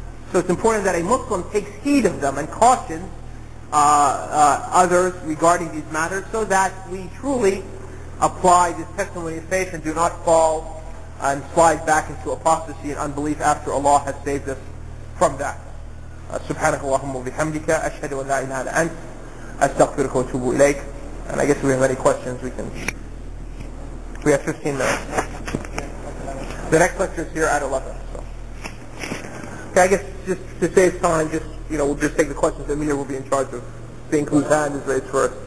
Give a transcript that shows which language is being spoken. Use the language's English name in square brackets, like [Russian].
[English] So it's important that a Muslim takes heed of them and cautions others regarding these matters so that we truly apply this testimony of faith and do not fall and slide back into apostasy and unbelief after Allah has saved us from that. [Arabic] سبحانك اللهم وبحمدك أشهد أن لا إله إلا أنت أستغفرك وأتوب إليك. [English] And I guess if we have any questions we can. We have 15 minutes. The next lecture is here at 11. So. Okay, I guess just to save time, just you know, we'll just take the questions. Amir will be in charge of seeing whose hand is raised first.